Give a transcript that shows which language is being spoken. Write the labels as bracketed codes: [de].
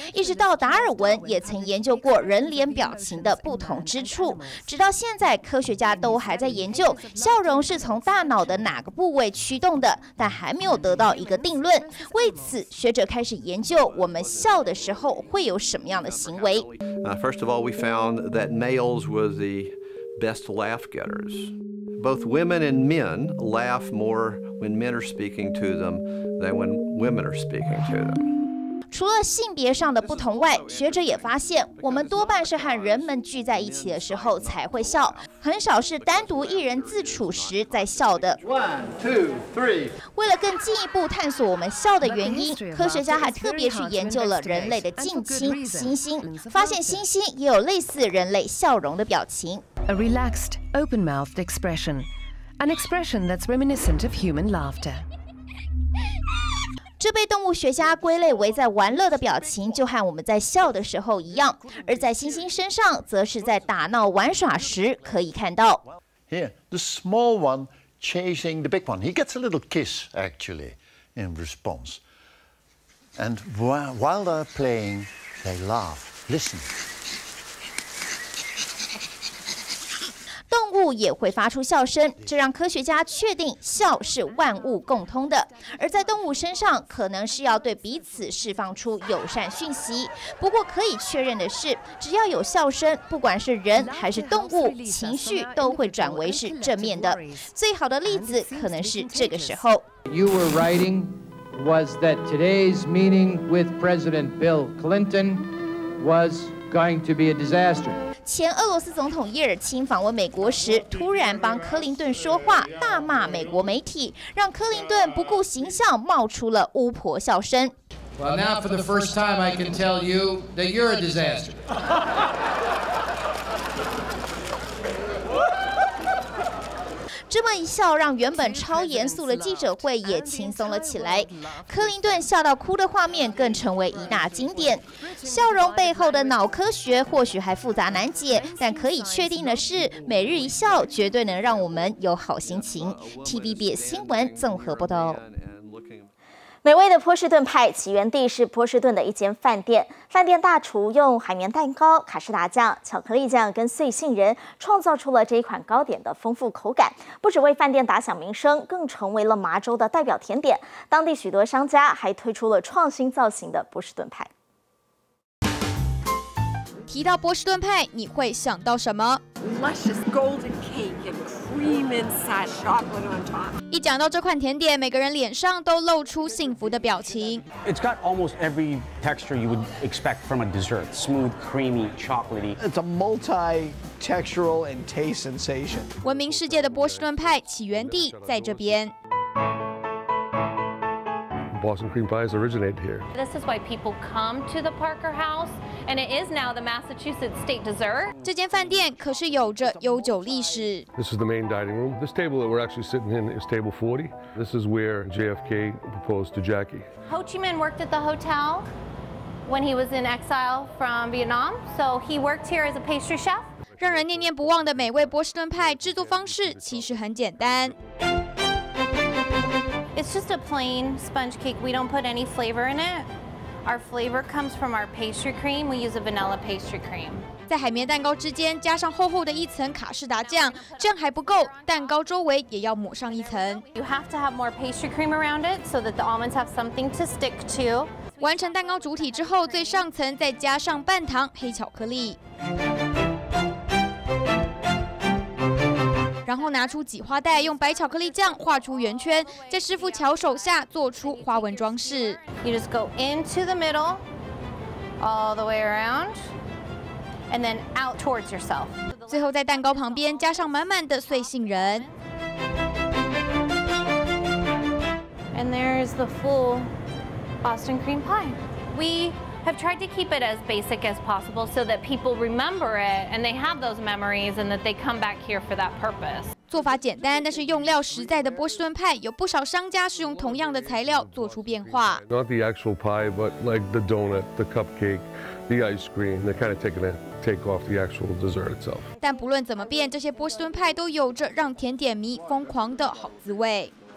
[zh] 一直到达尔文也曾研究过人脸表情的不同之处，直到现在科学家都还在研究笑容是从大脑的哪个部位驱动的，但还没有得到一个定论。为此，学者开始研究我们笑的时候会有什么样的行为。 [en] First of all, we found that males were the best laugh getters. Both women and men laugh more when men are speaking to them than when women are speaking to them. [zh] 除了性别上的不同外，学者也发现我们多半是和人们聚在一起的时候才会笑，很少是单独一人自处时在笑的。 [en] 1, 2, 3. [zh] 为了更进一步探索我们笑的原因，科学家还特别去研究了人类的近亲猩猩，发现猩猩也有类似人类笑容的表情。 [en] A relaxed, open-mouthed expression. An expression that's reminiscent of human laughter. [zh] 这被动物学家归类为在玩乐的表情，就和我们在笑的时候一样，而在猩猩身上则是在打闹玩耍时可以看到。 [en] Here, the small one chasing the big one. He gets a little kiss, actually, in response. And while they're playing, they laugh. Listen. [zh] 动物也会发出笑声，这让科学家确定笑是万物共通的，而在动物身上可能是要对彼此释放出友善讯息。不过可以确认的是，只要有笑声，不管是人还是动物，情绪都会转为是正面的。最好的例子可能是这个时候。 [en] You were writing was that today's meeting with President Bill Clinton was going to be a disaster. [zh] 前俄罗斯总统叶尔钦访问美国时，突然帮克林顿说话，大骂美国媒体，让克林顿不顾形象冒出了巫婆笑声。 [en] Well, now for the first time, I can tell you that you're a disaster. [zh] 这么一笑，让原本超严肃的记者会也轻松了起来。克林顿笑到哭的画面更成为一大经典。笑容背后的脑科学或许还复杂难解，但可以确定的是，每日一笑绝对能让我们有好心情。 TVB 新闻综合报道。美味的波士顿派起源地是波士顿的一间饭店，饭店大厨用海绵蛋糕、卡士达酱、巧克力酱跟碎杏仁创造出了这一款糕点的丰富口感，不只为饭店打响名声，更成为了麻州的代表甜点。当地许多商家还推出了创新造型的波士顿派。提到波士顿派，你会想到什么？ [en] Luscious golden cake and cream inside chocolate on top. [zh] 一讲到这款甜点，每个人脸上都露出幸福的表情。 [en] It's got almost every texture you would expect from a dessert: smooth, creamy, chocolatey. It's a multi-textural and taste sensation. [zh] 闻名世界的波士顿派起源地在这边。 [en] Boston cream pies originate here. This is why people come to the Parker House, and it is now the Massachusetts state dessert. [zh] 这间饭店可是有着悠久历史。 [en] This is the main dining room. This table that we're actually sitting in is table 40. This is where JFK proposed to Jackie. Ho Chi Minh worked at the hotel. when he was in exile from Vietnam. So he worked here as a pastry chef. [zh] 让人念念不忘的美味波士顿派制作方式其实很简单。 [en] It's just a plain sponge cake. We don't put any flavor in it. Our flavor comes from our pastry cream. We use a vanilla pastry cream. [zh] 在海绵蛋糕之间加上厚厚的一层卡士达酱，这样还不够，蛋糕周围也要抹上一层。 [en] You have to have more pastry cream around it so that the almonds have something to stick to. [zh] 完成蛋糕主体之后，最上层再加上半糖黑巧克力，然后拿出挤花袋，用白巧克力酱画出圆圈，在师傅巧手下做出花纹装饰。 [en] You just go into the middle, all the way around. And then out towards yourself. [zh] 最后在蛋糕旁边加上满满的碎杏仁。 [en] And there's the full Boston cream pie. We have tried to keep it as basic as possible so that people remember it and they have those memories and that they come back here for that purpose. [zh] 做法简单，但是用料实在的波士顿派，有不少商家是用同样的材料做出变化。 [en] Not the actual pie, but like the donut, the cupcake, the ice cream. They kind of take off the actual dessert itself. [zh] 但不论怎么变，这些波士顿派都有着让甜点迷疯狂的好滋味。